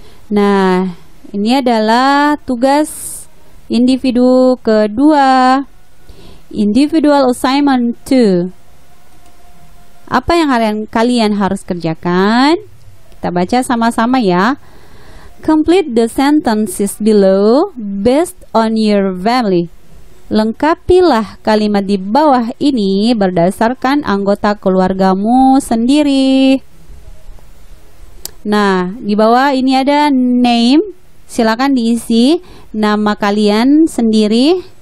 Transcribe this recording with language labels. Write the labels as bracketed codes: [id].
[id] Nah, ini adalah tugas individu kedua, [en] individual assignment 2. [id] Apa yang kalian harus kerjakan? Kita baca sama-sama ya. [en] Complete the sentences below based on your family. [id] Lengkapilah kalimat di bawah ini berdasarkan anggota keluargamu sendiri. Nah, di bawah ini ada name. Silakan diisi nama kalian sendiri.